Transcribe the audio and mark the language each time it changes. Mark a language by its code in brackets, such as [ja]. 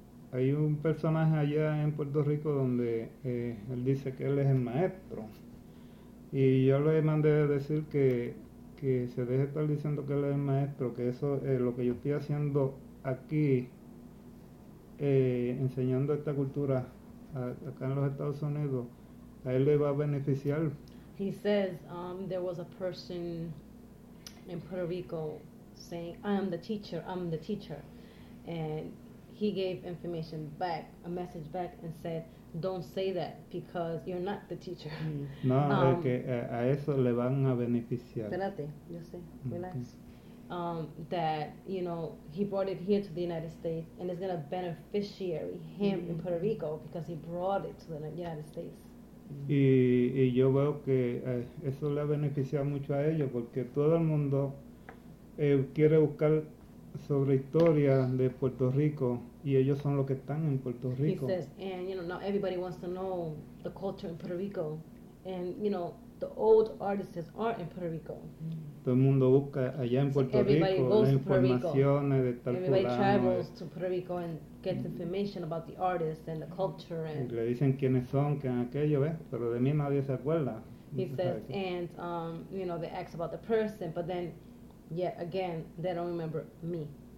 [es] Hay un personaje allá en Puerto Rico donde él dice que él es el maestro. Y yo le mandé decir que se deje estar diciendo que él es el maestro, que eso es lo que yo estoy haciendo aquí, enseñando esta cultura acá en los Estados Unidos. A él le va a beneficiar. [en] He says, there was a person in Puerto Rico saying, I'm the teacher. And he gave information back, a message back, and said, don't say that because you're not the teacher. [es] No, es que a eso le van a beneficiar. Espérate, yo sé, relax. Okay. [en] That, you know, he brought it here to the United States and it's going to beneficiary him in Puerto Rico because he brought it to the United States. [es] Y yo veo que eso le ha beneficiado mucho a ellos porque todo el mundo quiere buscar sobre historia de Puerto Rico y ellos son los que están en Puerto Rico. [en] He says, and you know, now everybody wants to know the culture in Puerto Rico and you know, the old artists are in Puerto Rico. [es] Todo el mundo busca allá en Puerto Rico las informaciones de tal fulano. [en] Everybody travels to Puerto Rico and gets information about the artist and the culture. And [es] le dicen quiénes son, quién aquello, ¿ves? Pero de mí nadie se acuerda. [en] He says, and, you know, they ask about the person, but then, yet again, they don't remember me.